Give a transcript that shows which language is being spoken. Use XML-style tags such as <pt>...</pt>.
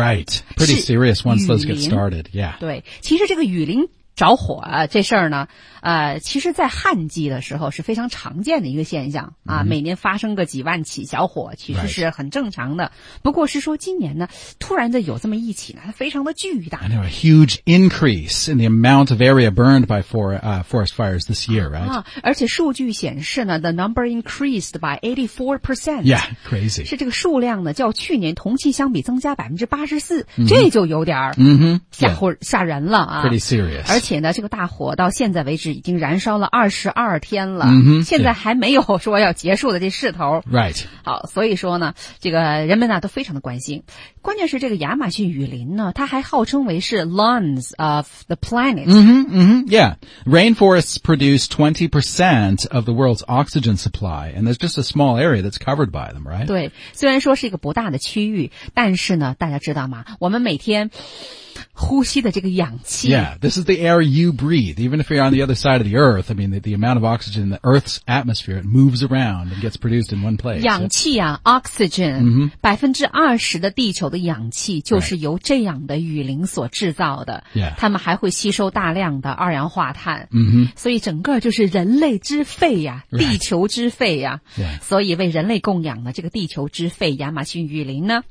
<en>Right. Pretty serious once those get started. Yeah.</en> <zh>对。其实这个雨林着火、啊、这事儿呢其实在旱季的时候是非常常见的一个现象、mm-hmm. 啊每年发生个几万起小火其实是很正常的。</zh> <en>Right.</en> <zh>不过是说今年呢突然的有这么一起呢非常的巨大。</zh> <en>I know, a huge increase in the amount of area burned by forest fires this year, right?</en> <zh>啊而且数据显示呢</zh> <en>the number increased by 84%. Yeah, crazy.</en> <zh>是这个数量呢较去年同期相比增加 84%,、 mm-hmm. 这就有点吓人了啊。</zh> <en>Pretty serious.</en> <zh>而且呢这个大火到现在为止已经燃烧了22天了、 mm-hmm, 现在还没有说要结束的这势头。</zh> <en>Right.</en> <zh>好所以说呢这个人们呢都非常的关心。关键是这个亚马逊雨林呢它还号称为是</zh> <en>lawns of the planet. Mm-hmm, mm-hmm, yeah. Rainforests produce 20% of the world's oxygen supply, and there's just a small area that's covered by them, right?</en> <zh>对虽然说是一个不大的区域但是呢大家知道吗我们每天呼吸的这个氧气。</zh> <en>Yeah, this is the air you breathe. Even if you're on the other side of the earth, I mean, the amount of oxygen in the earth's atmosphere, it moves around and gets produced in one place.</en> <zh>氧气啊 oxygen,、 mm-hmm. 20% 的地球的氧气就是由这样的雨林所制造的。</zh> <en>Right. Yeah.</en> <zh>他们还会吸收大量的二氧化碳。 Mm-hmm. 所以整个就是人类之肺啊、</zh> <en>right.</en> <zh>地球之肺啊。</zh> <en>Yeah.</en> <zh>所以为人类供养的这个地球之肺亚马逊雨林呢、</zh>